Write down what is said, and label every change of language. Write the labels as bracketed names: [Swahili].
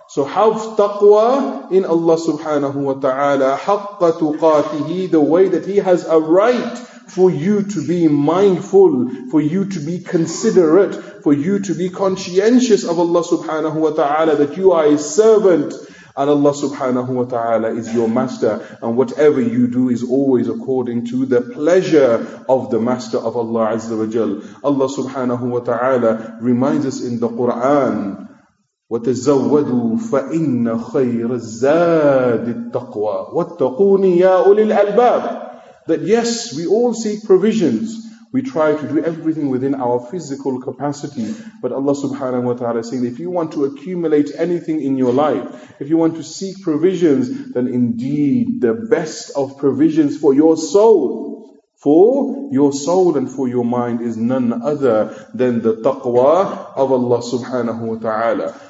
[English] So have taqwa in Allah subhanahu wa ta'ala, [Arabic] حَقَّ تُقَاتِهِ, [English] the way that He has a right for you to be mindful, for you to be considerate, for you to be conscientious of Allah subhanahu wa ta'ala, that you are a servant and Allah subhanahu wa ta'ala is your master, and whatever you do is always according to the pleasure of the master of Allah azza wa jal. Allah subhanahu wa ta'ala reminds us in the Qur'an, [Arabic] وتزودوا فإن خير الزاد التقوى واتقون يا أولي الألباب. [English] That yes, we all seek provisions. We try to do everything within our physical capacity. But Allah subhanahu wa ta'ala is saying, if you want to accumulate anything in your life, if you want to seek provisions, then indeed the best of provisions for your soul, for your soul and for your mind, is none other than the taqwa of Allah subhanahu wa ta'ala.